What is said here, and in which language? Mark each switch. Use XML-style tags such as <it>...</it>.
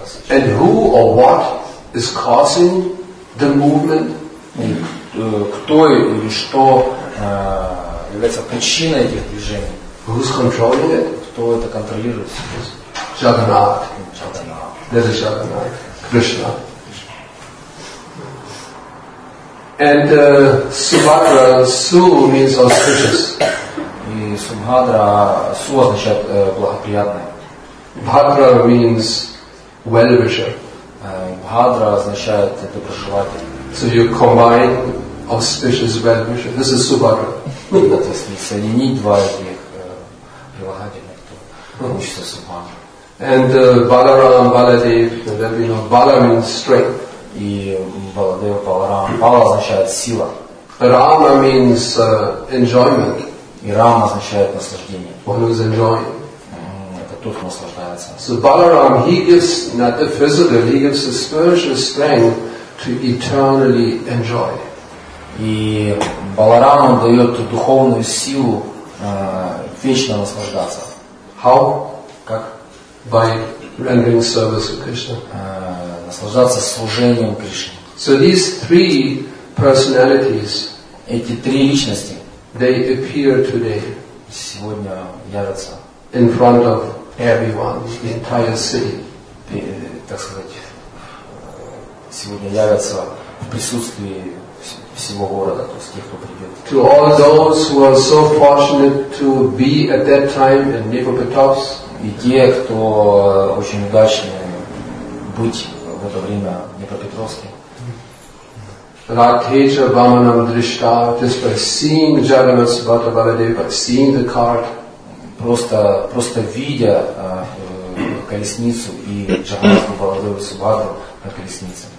<en>And who or what is causing the movement?</en> <ru>Кто или что является причиной этих движений?</ru> <en>Who's controlling it?</en> <ru>Кто это контролирует? Джаганнат. Кришна.</ru> <en>And Subhadra, Su means auspicious.</en> <ru>И Субхадра, Су означает благоприятное.</ru> <en>Бхадра means well-wisher.</en> <ru>Бхадра означает доброжелатель.</ru> <en>So you combine auspicious well-wisher. This is Subhadra.</en> <ru>То есть соединить два этих прилагательных, то получится Субхадра.</ru> <en>And Balaram, Baladev, and then, you know, Bala means strength.</en> <ru>И Баладева, Баларам. Бала означает сила.</ru> <en>Рама means enjoyment.</en> <ru>И Рама означает наслаждение.</ru> <en>One who's enjoying.</en> <ru>Это тот, кто наслаждается.</ru> <en>So Balaram, he gives not the physical, he gives the spiritual strength to eternally enjoy.</en> <ru>И Баларама дает духовную силу вечно наслаждаться.</ru> <en>How?</en> <ru>Как?</ru> <en>By rendering service to Krishna.</en> <ru>Наслаждаться служением Кришне.</ru> <en>So these three personalities,</en> <ru>эти три личности,</ru> <en>they appear today,</en> <ru>сегодня явятся</ru> <en>in front of everyone, the entire city,</en> <ru>так сказать, сегодня явятся в присутствии всего города, то есть тех, кто придет.</ru> <en>To all those who are so fortunate to be at that time in Nipopatops,</en> <ru>и те, кто очень удачны быть в это время Днепропетровске.</ru> <sa>Ратхеча Баманам Дришта,</sa> <en>just by seeing Jagannath Subhadra Baladev, by seeing the cart,</en> <ru>просто видя колесницу и Jagannath Baladev Subhadra на колеснице,</ru>